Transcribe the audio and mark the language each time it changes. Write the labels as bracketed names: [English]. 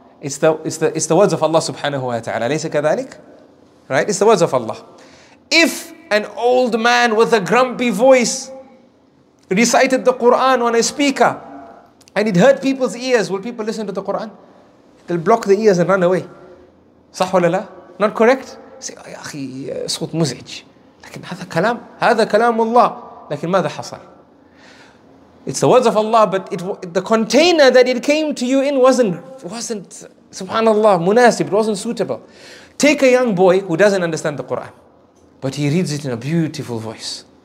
[English] It's the words of Allah subhanahu wa ta'ala. [Arabic] Laysa kadhalik? [English] Right? It's the words of Allah. If an old man with a grumpy voice recited the Quran on a speaker and it hurt people's ears, will people listen to the Quran? They'll block the ears and run away. [Arabic] صح ولا لا? [English] Not correct? [Arabic] Say, يا أخي صوت مزعج. لكن هذا كلام الله. لكن ماذا حصل? [English] It's the words of Allah, but the container that it came to you in wasn't subhanallah, munasib, it wasn't suitable. Take a young boy who doesn't understand the Quran, but he reads it in a beautiful voice.